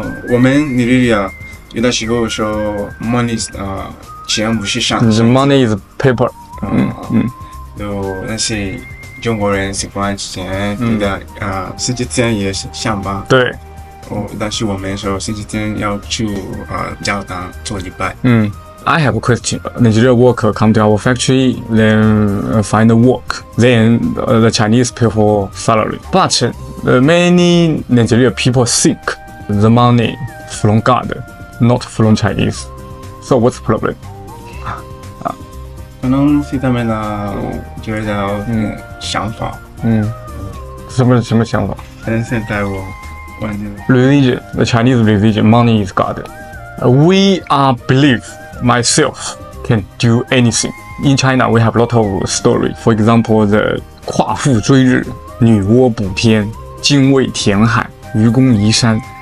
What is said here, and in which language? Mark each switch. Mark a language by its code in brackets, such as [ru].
[zh] 我们尼日利亚有的时候说 money 钱不是上，是 [en] money is paper。 [zh] 就那些中国人喜欢钱，星期天也上班。对，但是我们说星期天要去教堂做礼拜。 [en] I have a question. Nigerian worker come to our factory, then find work, then the Chinese pay for salary. But many Nigerian people think the money from God, not from Chinese. So what's the problem? [zh] 可能是他们的觉得想法。什么想法？但现在我关键 [en] religion, the Chinese religion, money is God. We are believe. Myself can do anything. In China, we have a lot of story. For example, the [zh] 夸父追日、女娲补天、精卫填海、愚公移山。